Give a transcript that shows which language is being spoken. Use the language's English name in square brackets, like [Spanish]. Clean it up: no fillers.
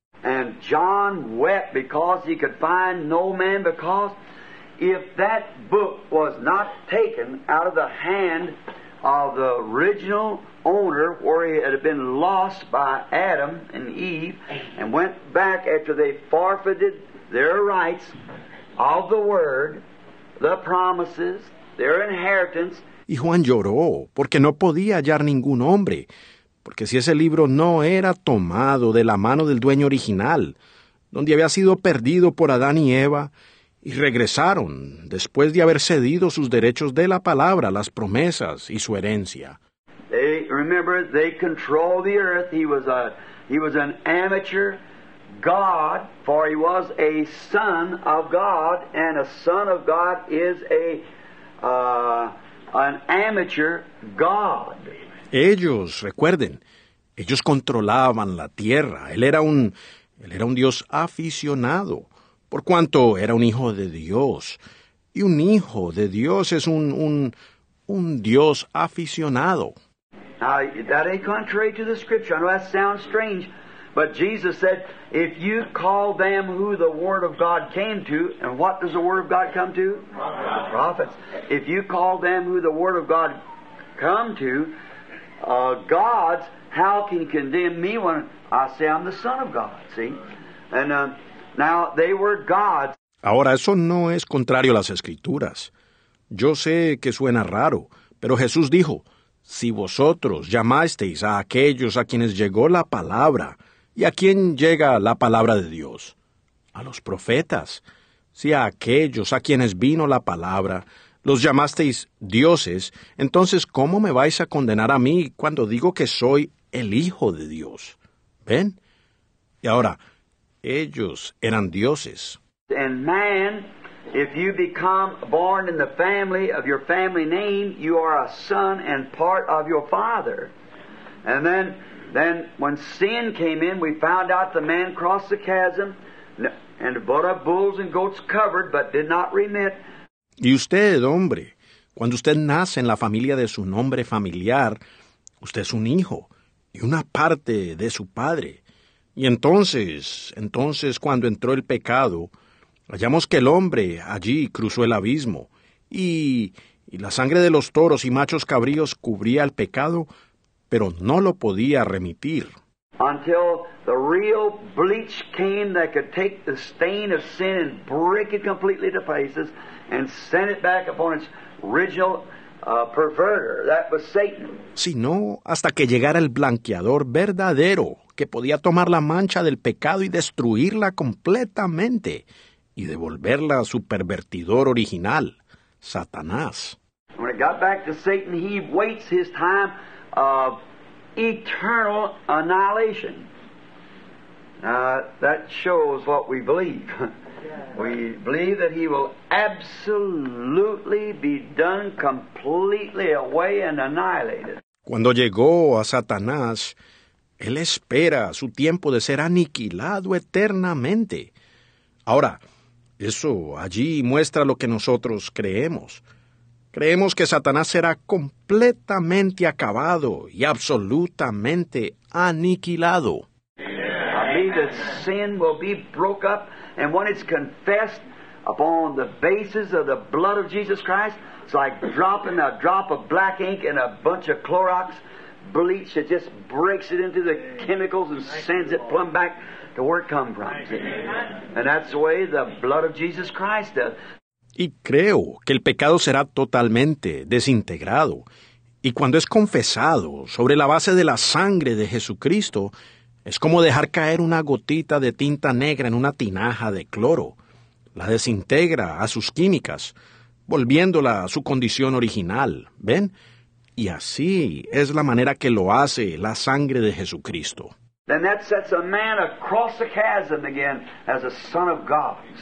[English] And John wept because he could find no man, because if that book was not taken out of the hand of the original owner, where it had been lost by Adam and Eve, and went back after they forfeited their rights of the word, the promises, their inheritance. [Spanish] Y Juan lloró porque no podía hallar ningún hombre, porque si ese libro no era tomado de la mano del dueño original, donde había sido perdido por Adán y Eva, y regresaron después de haber cedido sus derechos de la palabra, las promesas y su herencia. [English] They remember they control the earth. He was an amateur God, for he was a son of God, and a son of God is an amateur God. [Spanish] Ellos, recuerden, ellos controlaban la tierra. Él era un Dios aficionado, por cuanto era un hijo de Dios. Y un hijo de Dios es un Dios aficionado. [English] Now, that ain't contrary to the scripture. I know that sounds strange, but Jesus said, if you call them who the Word of God came to, and what does the Word of God come to? Prophets. Prophets. If you call them who the Word of God come to, gods, how can you condemn me when I say I'm the Son of God? See? And now, they were gods. [Spanish] Ahora, eso no es contrario a las Escrituras. Yo sé que suena raro, pero Jesús dijo, si vosotros llamasteis a aquellos a quienes llegó la palabra, ¿y a quién llega la palabra de Dios? A los profetas. Si a aquellos a quienes vino la palabra los llamasteis dioses, entonces ¿cómo me vais a condenar a mí cuando digo que soy el Hijo de Dios? ¿Ven? Y ahora, ellos eran dioses. [English] And man, if you become born in the family of your family name, you are a son and part of your father. And then when sin came in, we found out the man crossed the chasm and brought up bulls and goats covered, but did not remit. [Spanish] Y usted, hombre, cuando usted nace en la familia de su nombre familiar, usted es un hijo y una parte de su padre. Y entonces cuando entró el pecado, hallamos que el hombre allí cruzó el abismo y la sangre de los toros y machos cabríos cubría el pecado, pero no lo podía remitir. [English] Until the real bleach came that could take the stain of sin and break it completely to pieces and send it back upon its original perverter, that was Satan. [Spanish] Sino hasta que llegara el blanqueador verdadero que podía tomar la mancha del pecado y destruirla completamente y devolverla a su pervertidor original, Satanás. [English] When it got back to Satan, he waits his time of eternal annihilation. That shows what we believe. We believe that he will absolutely be done completely away and annihilated. [Spanish] Cuando llegó a Satanás, él espera su tiempo de ser aniquilado eternamente. Ahora, eso allí muestra lo que nosotros creemos. Creemos que Satanás será completamente acabado y absolutamente aniquilado. [English] I believe that sin will be broke up, and when it's confessed upon the basis of the blood of Jesus Christ, it's like dropping a drop of black ink in a bunch of Clorox bleach that just breaks it into the chemicals and sends it plumb back to where it come from. And that's the way the blood of Jesus Christ does. [Spanish] Y creo que el pecado será totalmente desintegrado. Y cuando es confesado sobre la base de la sangre de Jesucristo, es como dejar caer una gotita de tinta negra en una tinaja de cloro. La desintegra a sus químicas, volviéndola a su condición original. ¿Ven? Y así es la manera que lo hace la sangre de Jesucristo. [English] Then that sets a man across the chasm again as a son of God.